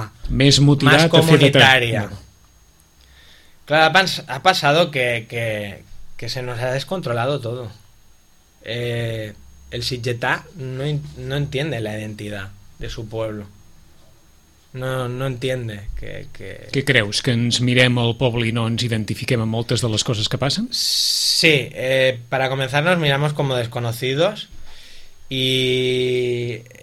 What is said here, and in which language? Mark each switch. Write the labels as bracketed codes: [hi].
[ca] més motivat, [es] más comunitaria. Claro, ha pasado que se nos ha descontrolado todo. El Sitgetà no entiende la identidad de su pueblo. no entiende que... [ca] Què creus? Que ens mirem al poble i no ens identifiquem amb moltes de les coses que passen? [es] Sí, para comenzar nos miramos como desconocidos y...